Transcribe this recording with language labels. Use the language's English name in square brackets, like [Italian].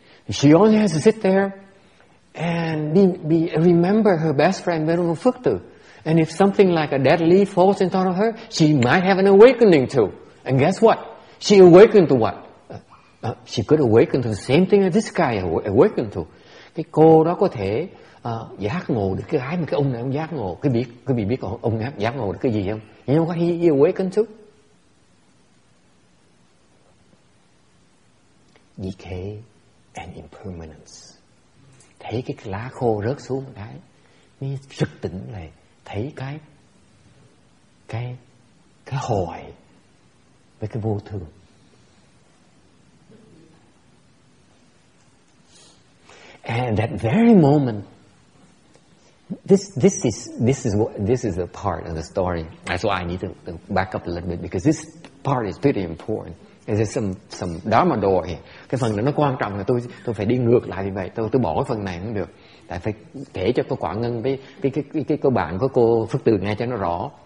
[English] She only has to sit there and be remember her best friend Venerable Phước Từ. And if something like a dead leaf falls in front of her, she might have an awakening too. And guess what? She awakened to what? She could awaken to the same thing that this guy awakened to. [Vietnamese] Cái cô đó có thể giác ngộ được cái gái mà cái ông này ông giác ngộ. Cái biết ông giác ngộ được cái gì không? [English] You know what he awakened to? Decay and impermanence. [Vietnamese] Thấy cái lá khô rớt xuống một cái, mới sực tỉnh lại, thấy cái hỏi với cái vô thường. [English] And that very moment, this is a part of the story. That's why I need to back up a little bit, because this part is pretty important. There's some dharma door here. [Vietnamese] Cái phần này nó quan trọng, là tôi phải đi ngược lại như vậy. Tôi bỏ cái phần này không được, tại phải kể cho cô Quảng Ngân với cái cô bạn của cô Phước Từ nghe cho nó rõ.